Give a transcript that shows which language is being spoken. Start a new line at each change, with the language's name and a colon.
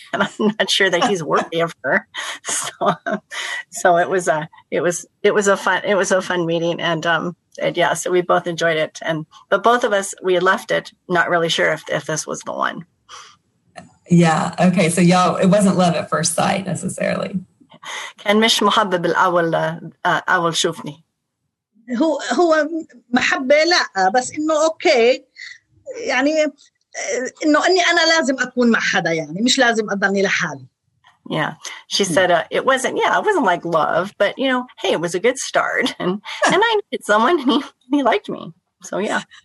English: And I'm not sure that he's worthy of her. So it was a fun meeting. And yeah, so we both enjoyed it. But both of us, we left it not really sure if this was the one. Yeah. Okay. So y'all, it wasn't love at first sight necessarily.
Arabic: كان مش محبب الأول أول شوفني. هو محبة لا بس إنه أوكي يعني إنه أني أنا لازم أكون مع حدا يعني مش لازم أضلني لحالي.
English: Yeah, she said it wasn't like love, but you know, hey, it was a good start, and I needed someone, and he liked me, so yeah.